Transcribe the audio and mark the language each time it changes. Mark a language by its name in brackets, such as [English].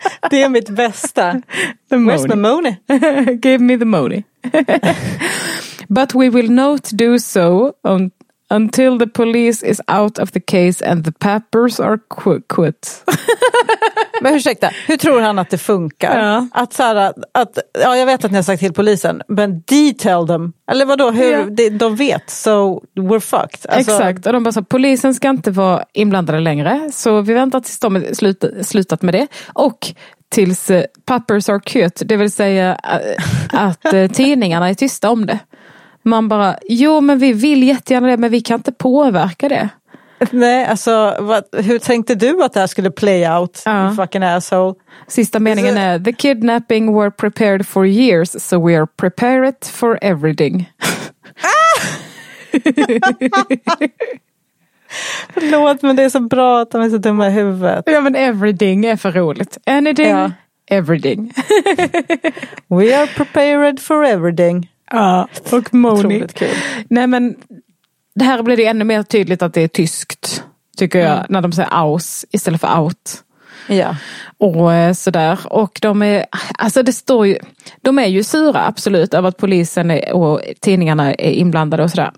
[Swedish] Det är mitt bästa. [English] Where's my money? Give me the money. But we will not do so until the police is out of the case and the papers are quit. [Swedish] Men ursäkta, hur tror han att det funkar? Ja. Att så här, att, ja, jag vet att ni har sagt till polisen, men detail dem. Eller vadå, hur, ja. De vet, [English] so we're fucked. [Swedish] Alltså, exakt, och de bara sa, polisen ska inte vara inblandade längre, så vi väntar tills de har slutat med det. Och tills [English] papers are cut, [Swedish] det vill säga att tidningarna är tysta om det. Man bara, jo men vi vill jättegärna det, men vi kan inte påverka det. Nej, alltså, hur tänkte du att det här skulle [English] play out? Ja. You fucking asshole. [Swedish] Sista meningen är, [English] the kidnapping were prepared for years, so we are prepared for everything. [Swedish] Förlåt, men det är så bra att de är så dumma i huvudet. Ja, men everything är för roligt. Anything, ja. Everything. [English] We are prepared for everything. [Swedish] Ja, och money. Otroligt kul. Nej, men... Det här blir det ännu mer tydligt att det är tyskt, tycker jag, när de säger aus istället för out. Ja. Och sådär. Och de är, alltså det står ju, de är ju sura absolut över att polisen och tidningarna är inblandade och sådär.